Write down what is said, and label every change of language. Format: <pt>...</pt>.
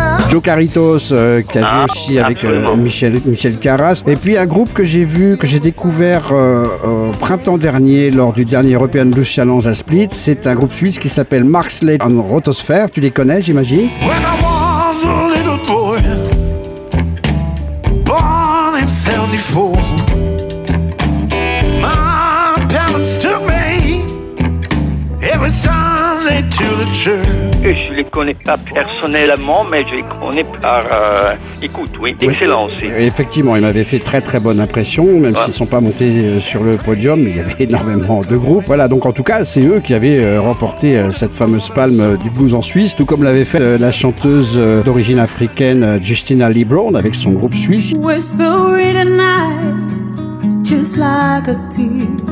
<fr>Joe Caritos, qui a joué aussi avec Michel Carras. Et puis un groupe que j'ai vu, que j'ai découvert au printemps dernier lors du dernier European Blues Challenge à Split. C'est un groupe suisse qui s'appelle Mark Slade and Rotosphere. Tu les connais, j'imagine ?</fr> <en>When I was a little boy, born in 74, my parents took me every Sunday to the church.</en> <fr>Je ne les connais pas personnellement, mais je les connais par écoute, oui, excellent aussi. Effectivement, ils m'avaient fait très très bonne impression, même s'ils ne sont pas montés sur le podium, il y avait énormément de groupes. Voilà, donc en tout cas, c'est eux qui avaient remporté cette fameuse palme du blues en Suisse, tout comme l'avait fait la chanteuse d'origine africaine Justina Lee Brown avec son groupe suisse.</fr> <en>Whispering at night, just like a tear.</en>